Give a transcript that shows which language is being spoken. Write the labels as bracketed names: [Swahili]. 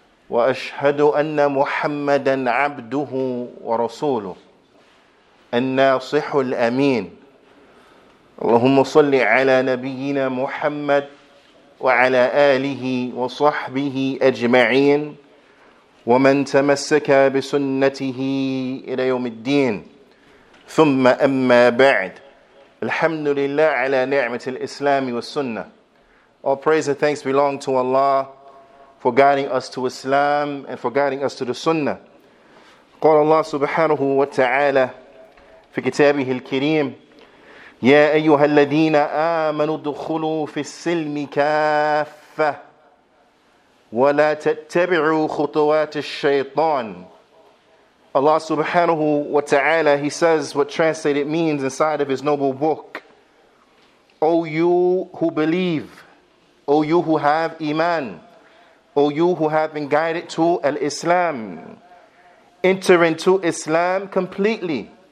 [Arabic] وأشهد أن محمدا عبده ورسوله الناصح الأمين اللهم صل على نبينا محمد وعلى آله وصحبه أجمعين ومن تمسك بسنته إلى يوم الدين ثم أما بعد الحمد لله على نعمة الإسلام والسنة. [English] All praise and thanks belong to Allah for guiding us to Islam and for guiding us to the Sunnah. [Arabic] قال الله سبحانه وتعالى في كتابه الكريم يا أيها الذين آمنوا ادخلوا في السلم كافة ولا تتبعوا خطوات الشيطان. [English] Allah subhanahu wa ta'ala, he says what translated means inside of his noble book. O you who believe, O you who have iman, O you who have been guided to al-Islam, enter into Islam completely.